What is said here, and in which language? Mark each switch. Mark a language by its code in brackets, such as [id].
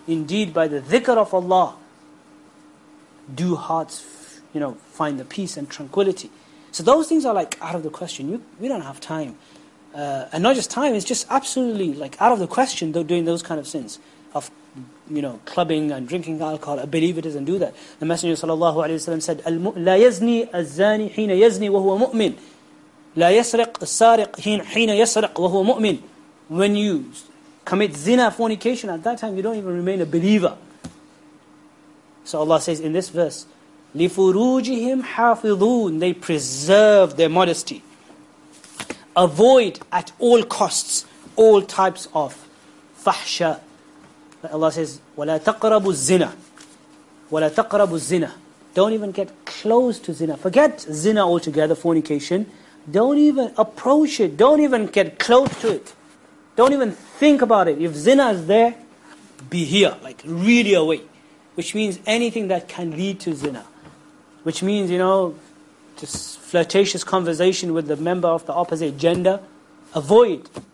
[en] Indeed, by the dhikr of Allah, do hearts, you know, find the peace and tranquility. So those things are like out of the question. We don't have time. And not just time, it's just absolutely like out of the question doing those kind of sins of, you know, clubbing and drinking alcohol. A believer doesn't do that. The Messenger sallallahu alayhi wa sallam said, [ar] لَا يَزْنِي الزَّانِي حِينَ يَزْنِي وَهُوَ مُؤْمِنِ لَا يَسْرِقْ السَّارِقْ حِينَ يَسْرِقْ وَهُوَ مُؤْمِنِ. [en] When you commit zina, fornication, at that time you don't even remain a believer. So Allah says in this verse, [ar] لِفُرُوجِهِمْ حَافِظُونَ. [en] They preserve their modesty. Avoid at all costs all types of fahsha. Allah says, [ar] وَلَا تَقْرَبُ الزِّنَا. وَلَا تَقْرَبُ الزِّنَا. [en] Don't even get close to zina. Forget zina altogether, fornication. Don't even approach it. Don't even get close to it. Don't even think about it. If zina is there, be here, like really away. Which means anything that can lead to zina. Which means, you know, just flirtatious conversation with the member of the opposite gender. Avoid.